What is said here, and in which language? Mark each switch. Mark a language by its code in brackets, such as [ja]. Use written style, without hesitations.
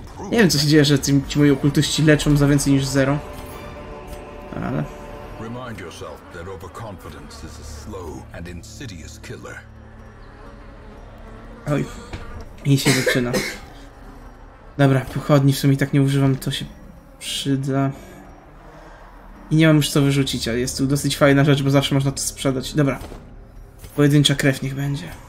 [pl] Nie wiem, co się dzieje, że ci moi okultyści leczą za więcej niż zero. Ale. [en] Remind yourself that overconfidence is a slow and insidious killer. [pl] Oj. I się zaczyna. Dobra, pochodni w sumie tak nie używam, to się przyda. I nie mam już co wyrzucić, ale jest tu dosyć fajna rzecz, bo zawsze można to sprzedać. Dobra. Pojedyncza krew niech będzie.